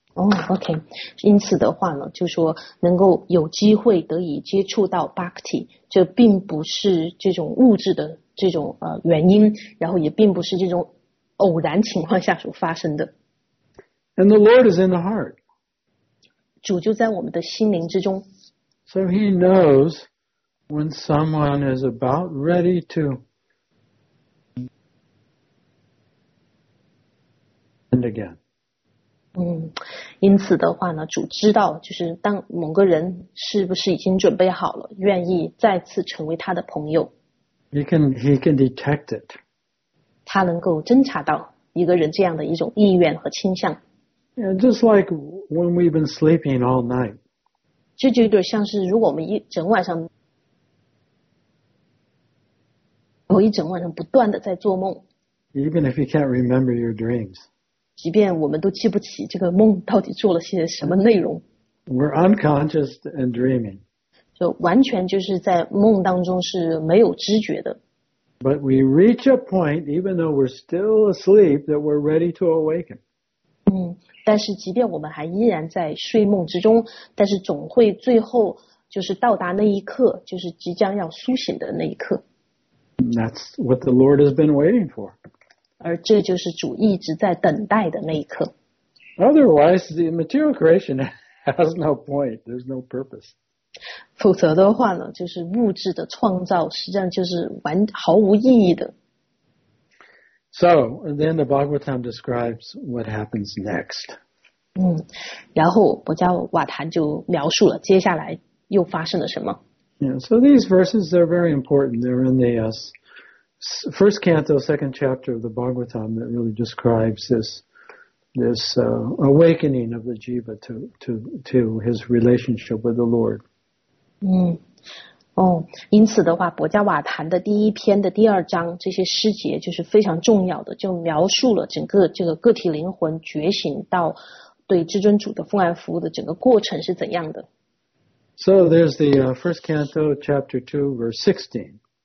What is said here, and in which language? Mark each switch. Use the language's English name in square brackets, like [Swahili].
[Chinese] OK, 因此的话呢就说能够有机会得以接触到 Bhakti, 这并不是这种物质的这种原因然后也并不是这种偶然情况下所发生的。 [English] And the Lord is in the heart. [Chinese] 主就在我们的心灵之中。 [English] So he knows when someone is about ready to end again. [Chinese] 因此的话呢主知道就是当某个人是不是已经准备好了愿意再次成为他的朋友 [English] he can detect it [Chinese] 他能够侦察到一个人这样的一种意愿和倾向 [English] yeah, just like when we've been sleeping all night [Chinese] 这就有点像是如果我们一整晚上不断的在做梦 [English] even if you can't remember your dreams [Chinese] 即便我们都记不起这个梦到底做了些什么内容 [English] We're unconscious and dreaming [Chinese] 就完全就是在梦当中是没有知觉的 [English] But we reach a point even though we're still asleep that we're ready to awaken [Chinese] 但是即便我们还依然在睡梦之中但是总会最后就是到达那一刻就是即将要苏醒的那一刻 [English] That's what the Lord has been waiting for [Chinese] 而这就是主一直在等待的那一刻。 [English] Otherwise, the material creation has no point. There's no purpose. [Chinese] 否则的话呢，就是物质的创造实际上就是毫无意义的。 [English] So, then the Bhagavatam describes what happens next. [Chinese] 然后薄伽瓦坛就描述了接下来又发生了什么。 [English] Yeah, so these verses, they're very important. They're in the first canto, second chapter of the Bhagavatam that really describes this awakening of the jiva to his relationship with the Lord. [Chinese] 因此的话，薄伽瓦坛的第一篇的第二章，这些诗节就是非常重要的，就描述了整个这个个体灵魂觉醒到对至尊主的奉爱服务的整个过程是怎样的。 [English] So there's the first canto, chapter 2, verse 16.